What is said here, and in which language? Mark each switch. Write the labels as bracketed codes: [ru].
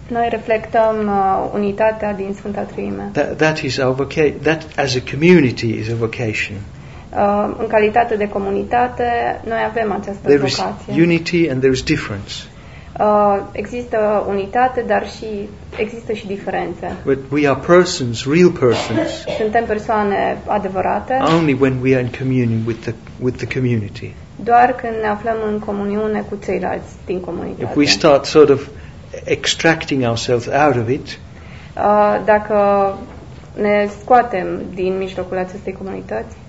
[ro] Noi reflectăm unitatea din Sfânta Treime. [en] That is our vocation. That as a community is a vocation. [ro] În calitate de comunitate, noi avem această [en] there [ro] vocație. [en] There is unity and there is difference. [ro] Există unitate, dar și există și diferențe. [en] But we are persons, real persons. [ro] Suntem persoane adevărate. [en] Only when we are in communion with the community. [ro] Doar când ne aflăm în comuniune cu ceilalți din comunitate. [en] If we start sort of extracting ourselves out of it. [ro] Dacă ne scoatem din mijlocul acestei comunități.